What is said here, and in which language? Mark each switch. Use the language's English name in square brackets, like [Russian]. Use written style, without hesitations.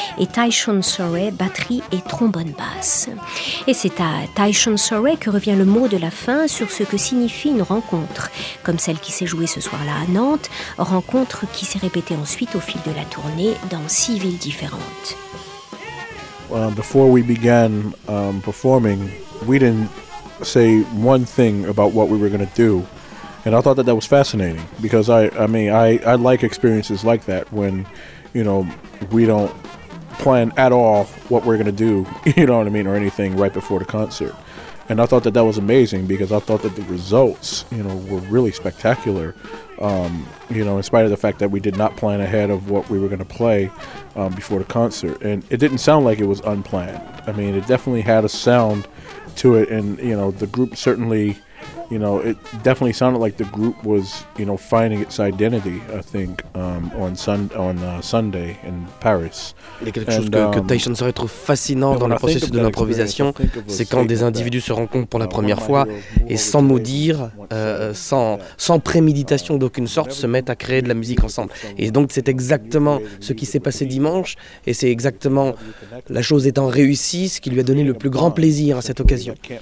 [French] Et Tyshawn Soray, batterie et trombone basse. Et c'est à Tyshawn Soray que revient le mot de la fin sur ce que signifie une rencontre, comme celle qui s'est jouée ce soir-là à Nantes, rencontre qui s'est répétée ensuite au fil de la tournée dans 6 villes différentes. [English] Before we began performing, we didn't say one thing about what we were going to do, and I thought that was fascinating because I like experiences like that when, you know, we don't plan at all what we're going to do, you know what I mean, or anything right before the concert, and I thought that was amazing because I thought that the results, you know, were really spectacular. You know, in spite of the fact that we did not plan ahead of what we were going to play before the concert. And it didn't sound like it was unplanned. I mean, it definitely had a sound to it. And, you know, the group certainly, you know, it definitely sounded like the group was, you know, finding its identity, I think, Sunday in Paris. [French] Il y a quelque chose que Tyshawn Soray trouve fascinant dans le processus de l'improvisation, c'est quand des individus se rencontrent pour la première fois et sans mot dire, sans préméditation d'aucune sorte, se mettent à créer de la musique ensemble. Et donc c'est exactement ce qui s'est passé dimanche, et c'est exactement, la chose étant réussie, ce qui lui a donné le plus grand plaisir à cette occasion.